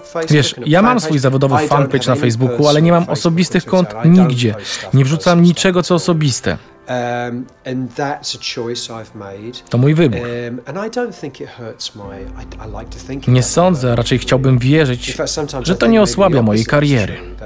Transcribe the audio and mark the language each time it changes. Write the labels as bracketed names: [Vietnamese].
[Polish] Wiesz, ja mam swój zawodowy fanpage na Facebooku, ale nie mam osobistych kont nigdzie. Nie wrzucam niczego, co osobiste. [English] And that's a choice I've made. [Polish] To mój wybór. [English] And I don't think it hurts my. I like to think. [Polish] Nie sądzę, a raczej chciałbym wierzyć, że to nie osłabia mojej kariery.